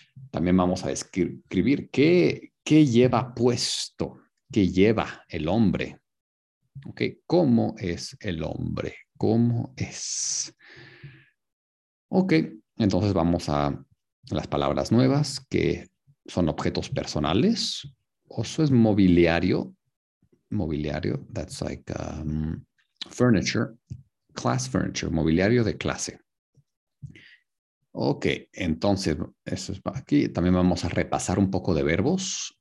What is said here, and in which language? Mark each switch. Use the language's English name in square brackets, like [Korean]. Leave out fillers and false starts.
[Spanish] También vamos a escribir qué lleva puesto, qué lleva el hombre. Okay, ¿cómo es el hombre? ¿Cómo es? Ok, entonces vamos a las palabras nuevas, que son objetos personales. Oso es mobiliario. [English] Mobiliario, that's like furniture, class furniture, [Spanish] mobiliario de clase. Ok, entonces eso es para aquí. También vamos a repasar un poco de verbos.